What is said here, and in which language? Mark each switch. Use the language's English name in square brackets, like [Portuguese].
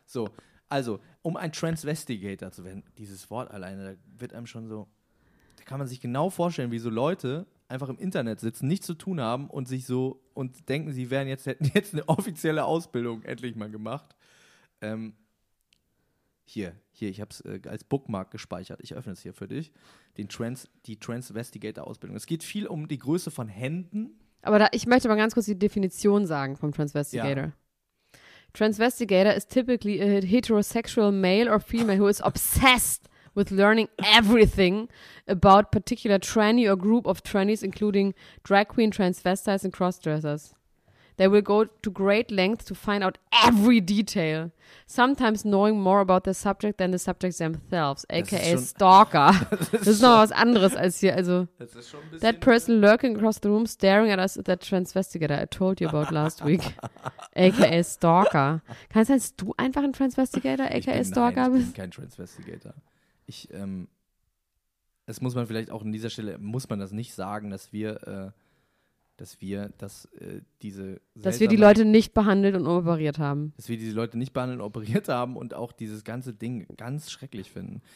[German] So, also, um ein Transvestigator zu werden, dieses Wort alleine, da wird einem schon so, da kann man sich genau vorstellen, wie so Leute einfach im Internet sitzen, nichts zu tun haben und sich so, und denken, sie wären jetzt, hätten jetzt eine offizielle Ausbildung endlich mal gemacht. Hier, ich hab's als Bookmark gespeichert. Ich öffne es hier für dich. Die Transvestigator-Ausbildung. Es geht viel um die Größe von Händen. Aber da, ich möchte mal ganz kurz die Definition sagen vom Transvestigator. Ja. [English] Transvestigator is typically a heterosexual male or female who is obsessed with learning everything about particular tranny or group of trannies, including drag queen, transvestites and crossdressers. They will go to great lengths to find out every detail, sometimes knowing more about the subject than the subject themselves, aka [German] das ist schon, [English] Stalker. [German] Das ist noch was anderes als hier. Also, das ist schon ein [English] that person lurking across the room, staring at us, that transvestigator I told you about last week, aka Stalker. [German] Kann es sein, dass du einfach ein Transvestigator, aka Stalker bist? Ich bin kein Transvestigator. Ich, das muss man vielleicht auch an dieser Stelle, muss man das nicht sagen, dass wir die Leute nicht behandelt und operiert haben. Dass wir diese Leute nicht behandelt und operiert haben und auch dieses ganze Ding ganz schrecklich finden.